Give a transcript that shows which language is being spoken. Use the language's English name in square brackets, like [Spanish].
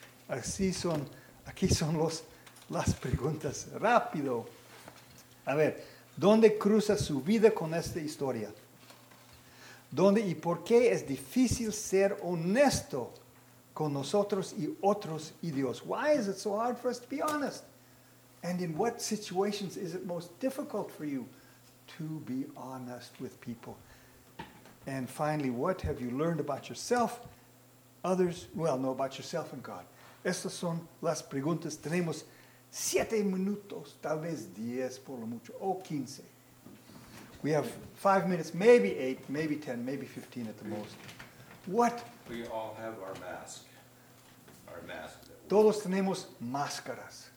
[Spanish] Así son, aquí son los las preguntas, rápido. A ver, ¿dónde cruza su vida con esta historia? ¿Dónde y por qué es difícil ser honesto con nosotros y otros y Dios? [English] Why is it so hard for us to be honest? And in what situations is it most difficult for you to be honest with people? And finally, what have you learned about yourself, others, well, no, about yourself and God? [Spanish] Estas son las preguntas. Tenemos 7 minutos, tal vez 10 por lo mucho, o 15. [English] We have 5 minutes, maybe 8, maybe 10, maybe 15 at the most. What? We all have our mask. Our mask. [Spanish] Todos tenemos máscaras.